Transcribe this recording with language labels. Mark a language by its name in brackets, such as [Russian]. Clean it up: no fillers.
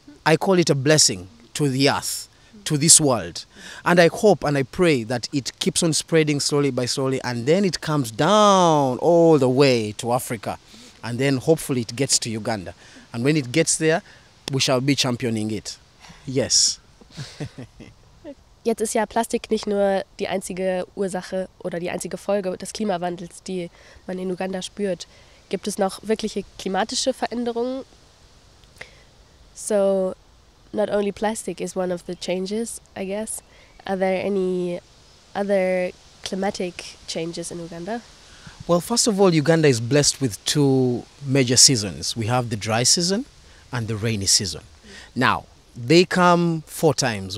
[English] I call it a blessing to the earth, to this world. And I hope and I pray that it keeps on spreading slowly by slowly, and then it comes down all the way to Africa. And then hopefully it gets to Uganda. And when it gets there, we shall be championing it. Yes. [German] Jetzt ist ja Plastik nicht nur die einzige Ursache oder die einzige Folge des Klimawandels, die man in Uganda spürt. Gibt es noch wirkliche klimatische Veränderungen? [English] So, not only plastic is one of the changes, I guess. Are there any other climatic changes in Uganda? Well, first of all, Uganda is blessed with two major seasons. We have the dry season and the rainy season. Now, they come four times.